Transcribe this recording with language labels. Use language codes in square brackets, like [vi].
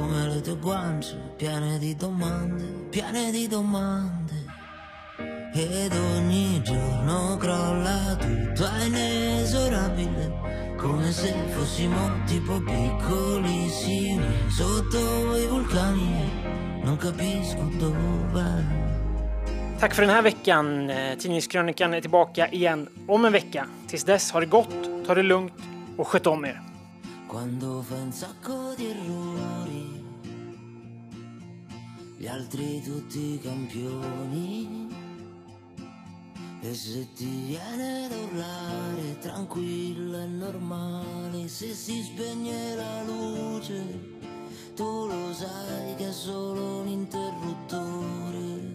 [it] come le tue guance, piene di domande, ed ogni giorno crolla tutto, è inesorabile, come se fossimo tipo piccolissimi sotto i vulcani, non capisco dove. [sv] Tack för den här veckan. Tidningskrönikan är tillbaka igen om en vecka. Tills dess, ha det gott, ta det lugnt och sköt om er. [it] Quando fa un sacco di errori, gli altri tutti campioni, e se ti viene da urlare, tranquillo e normale, se si spegne la luce, tu lo sai che è solo un interruttore.